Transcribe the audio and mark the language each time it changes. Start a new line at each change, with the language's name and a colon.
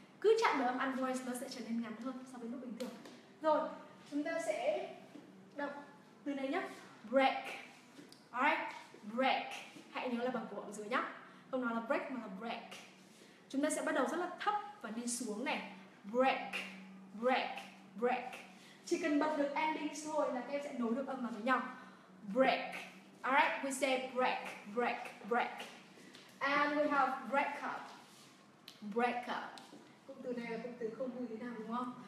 Vietnamese: cứ chạm được âm unvoiced nó sẽ trở nên ngắn hơn so với lúc bình thường. Rồi, chúng ta sẽ đọc từ này nhé. Break. Alright, break. Hãy nhớ là bằng cổ họng dưới nhé. Không nói là break mà là break. Chúng ta sẽ bắt đầu rất là thấp và đi xuống này.
English: Break, break, break.
Vietnamese: Chỉ cần bật được ending thôi là các em sẽ nối được âm vào với nhau.
English: Break. Alright, we say break, break, break. And we have break up. Break up.
Vietnamese: Cụm từ này là cụm từ không vui thế nào đúng không?